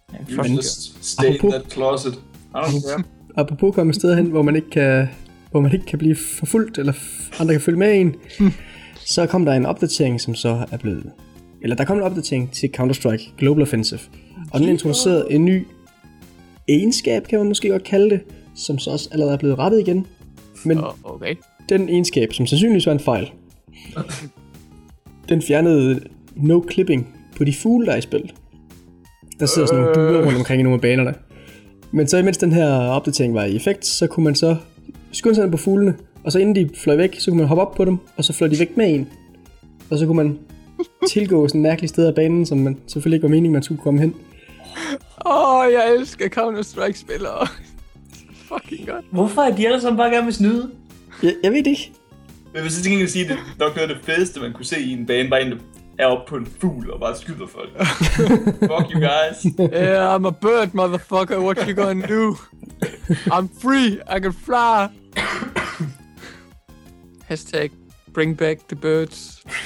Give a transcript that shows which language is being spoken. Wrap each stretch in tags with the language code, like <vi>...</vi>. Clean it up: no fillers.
<en>You just stay in that closet.</en> <da>Apropos komme et sted hen, hvor man ikke kan blive forfulgt, eller andre kan følge med en, så kom der en opdatering, som så er blevet... Eller der kom en opdatering til Counter-Strike Global Offensive. Og den introducerede en ny egenskab, kan man måske godt kalde det, som så også allerede er blevet rettet igen. Men okay. Den egenskab, som sandsynligvis var en fejl, den fjernede no clipping på de fugle, der er i spil. Der sidder sådan nogle duer rundt omkring i nogle af banerne. Men så imens den her opdatering var i effekt, så kunne man så skynde sig ned på fuglene, og så inden de fløj væk, så kunne man hoppe op på dem, og så fløj de væk med en. Og så kunne man tilgå sådan en mærkelig sted af banen, som man selvfølgelig ikke var meningen, man skulle komme hen. Åh, jeg elsker Counter-Strike-spillere.</da> <en>Fucking godt.</en> <da>Hvorfor er de alle sammen bare gerne med snyde? Jeg ved ikke. Men hvis jeg ikke kan sige, det er nok noget af det fedeste, man kunne se i en bane, bare inden er oppe på en fugl og bare skyder folk.</da> <en>Fuck you guys. Yeah, I'm a bird, motherfucker. What you gonna do? I'm free. I can fly. Hashtag bring back the birds.</en>